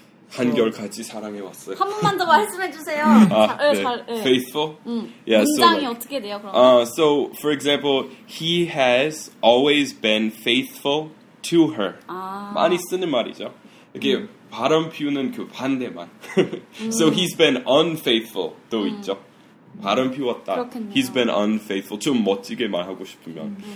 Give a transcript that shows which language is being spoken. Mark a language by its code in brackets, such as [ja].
[ko] 한결같이 사랑해 왔어요. 한 번만 더 말씀해 주세요. [en] faithful? Yeah, so [ko] 문장이 어떻게 돼요, 그러면? [en] So, for example, he has always been faithful to her. [ko] 많이 쓰는 말이죠. 이게 바람 피우는 그 반대만. [en] So he's been unfaithful도 [ko] 있죠. 바람 피웠다. 그렇겠네요. [en] He's been unfaithful. [ko] 좀 멋지게 말하고 싶으면.